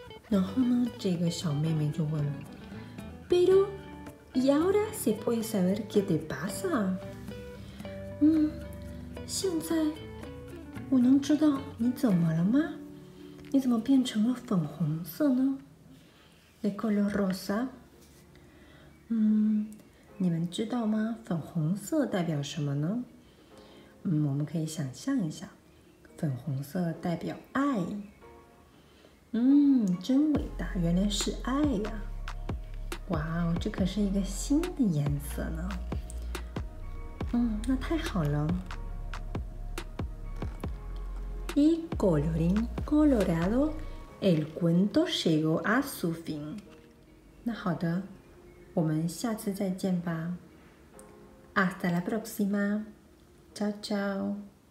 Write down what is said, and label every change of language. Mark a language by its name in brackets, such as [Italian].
[Chinese] 然后呢，这个小妹妹就问了 [Spanish] ：“Pero, ¿y ahora se puede saber qué te pasa？” [Chinese] 现在我能知道你怎么了吗？你怎么变成了粉红色呢 ？ [Spanish] De color rosa。 [Chinese] 你们知道吗？粉红色代表什么呢？我们可以想象一下，粉红色代表爱。真伟大，原来是爱呀！哇哦，这可是一个新的颜色呢。那太好了。 [Spanish] Y colorín colorado, el cuento llegó a su fin. [Chinese] 那好的，我们下次再见吧。 [Spanish] Hasta la próxima. Chao, chao.